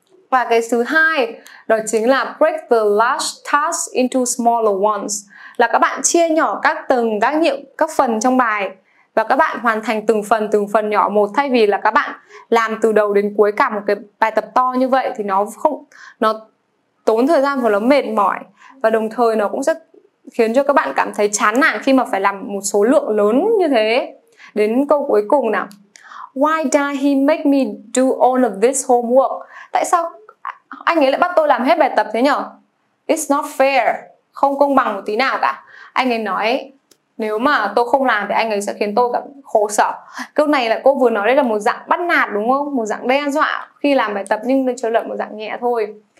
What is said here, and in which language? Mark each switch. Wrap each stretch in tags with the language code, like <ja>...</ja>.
<vi>Và cái thứ hai đó chính là</vi> <en>break the large task into smaller ones,</en> <vi>là các bạn chia nhỏ các tầng, các phần trong bài, và các bạn hoàn thành từng phần nhỏ một, thay vì là các bạn làm từ đầu đến cuối cả một cái bài tập to như vậy. Thì nó tốn thời gian và nó mệt mỏi, và đồng thời nó cũng sẽ khiến cho các bạn cảm thấy chán nản khi mà phải làm một số lượng lớn như thế. Đến câu cuối cùng nào.</vi> <en>Why does he make me do all of this homework?</en> <vi>Tại sao anh ấy lại bắt tôi làm hết bài tập thế nhở?</vi> <en>It's not fair.</en> <vi>Không công bằng một tí nào cả. Anh ấy nói nếu mà tôi không làm thì anh ấy sẽ khiến tôi cảm khổ sở. Câu này là cô vừa nói đây là một dạng bắt nạt đúng không? Một dạng đe dọa khi làm bài tập, nhưng chỉ là một dạng nhẹ thôi.</vi>